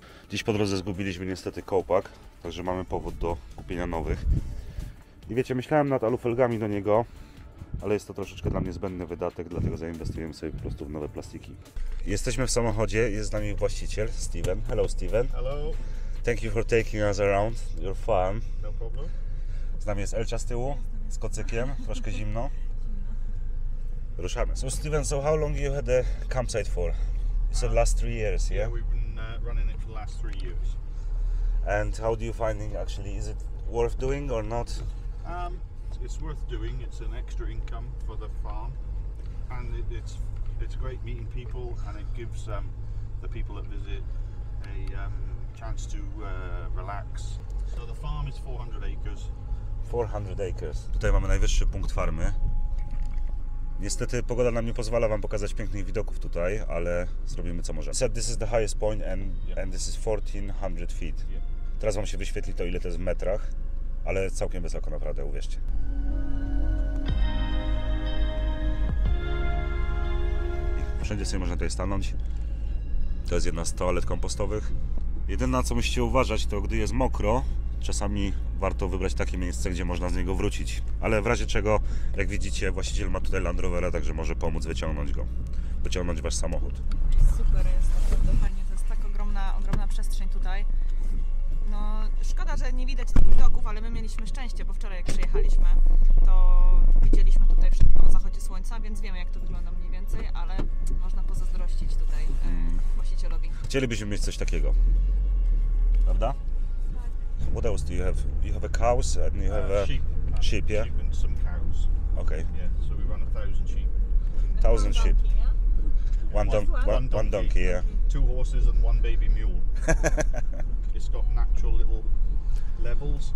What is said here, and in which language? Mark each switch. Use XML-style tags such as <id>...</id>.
<pl>Dziś po drodze zgubiliśmy niestety kołpak, także mamy powód do kupienia nowych. I wiecie, myślałem nad alufelgami do niego, ale jest to troszeczkę dla mnie zbędny wydatek, dlatego zainwestujemy sobie po prostu w nowe plastiki. Jesteśmy w samochodzie, jest z nami właściciel, Steven.</pl> <en>Hello, Steven. Hello. Thank you for taking us around your farm. No problem.</en> <pl>Z nami jest Elcia z tyłu, z kocykiem, troszkę zimno. Ruszamy.</pl> <en>So Steven, so how long you had the campsite for? It's the last 3 years, yeah? Yeah, we've been running it for the last 3 years. And how do you find it actually? Is it worth doing or not? It's worth doing. It's an extra income for the farm. And it's great meeting people, and it gives the people that visit a chance to relax. So the farm is 400 acres, 400 acres.</en> <pl>Tutaj mamy najwyższy punkt farmy. Niestety pogoda nam nie pozwala wam pokazać pięknych widoków tutaj, ale zrobimy co możemy.</pl> <en>Said this is the highest point and, yeah. and this is 1400 feet. Yeah.</en> <pl>Teraz wam się wyświetli to, ile to jest w metrach, ale całkiem bez oka naprawdę, uwierzcie. Wszędzie sobie można tutaj stanąć. To jest jedna z toalet kompostowych. Jedyne, na co musicie uważać, to gdy jest mokro, czasami warto wybrać takie miejsce, gdzie można z niego wrócić. Ale w razie czego, jak widzicie, właściciel ma tutaj Land Rovera, także może pomóc wyciągnąć go. Wyciągnąć wasz samochód. Super, jest naprawdę fajnie. To jest tak ogromna przestrzeń tutaj. No, szkoda, że nie widać tych widoków, ale my mieliśmy szczęście, bo wczoraj jak przyjechaliśmy, to widzieliśmy tutaj wszystko o zachodzie słońca, więc wiemy, jak to wygląda mniej więcej, ale można pozazdrościć tutaj właścicielowi. Chcielibyśmy mieć coś takiego. Prawda?</pl> <en>What else do you have? You have a cow and you have a sheep, yeah? Sheep and some cows. Okay. Yeah, so we run 1,000 sheep. And 1,000 sheep. Donkey, yeah? One donkey, yeah. Two horses and one baby mule. It's got natural little levels.</en>